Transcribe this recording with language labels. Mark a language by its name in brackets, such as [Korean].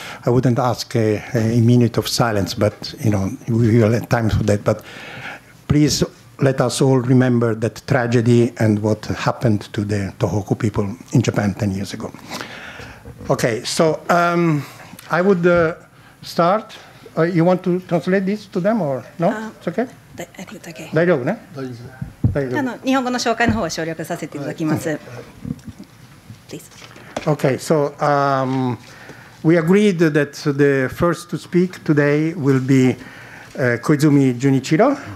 [English] I wouldn't ask a minute of silence, but you know, we will have time for that. But please let us all remember that tragedy and what happened to the Tohoku people in Japan 10 years ago. Okay, so I would start. You want to translate this to them or no? It's okay? I think it's okay. [Japanese] 大丈夫ね。大丈夫。あの、日本語の紹介の方を省略させていただきます。 [English] Please. Okay, so we agreed that the first to speak today will be Koizumi Junichiro.